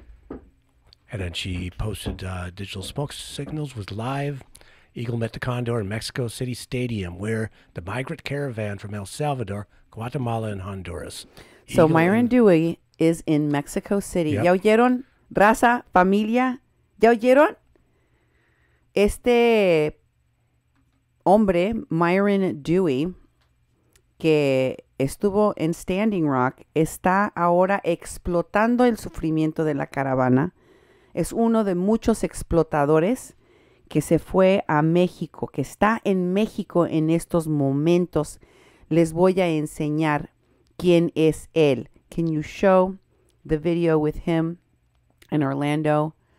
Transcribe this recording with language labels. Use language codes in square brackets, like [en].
[en] And then she posted digital smoke signals was live. Eagle met the condor in Mexico City Stadium, where the migrant caravan from El Salvador, Guatemala, and Honduras. So Eagle Myron and Dewey is in Mexico City. [es] Yep. ¿Ya oyeron? Raza, familia, ¿ya oyeron? Este hombre, Myron Dewey, que estuvo en Standing Rock, está ahora explotando el sufrimiento de la caravana. Es uno de muchos explotadores que se fue a México, que está en México en estos momentos. Les voy a enseñar quién es él. [en] Can you show the video with him in Orlando?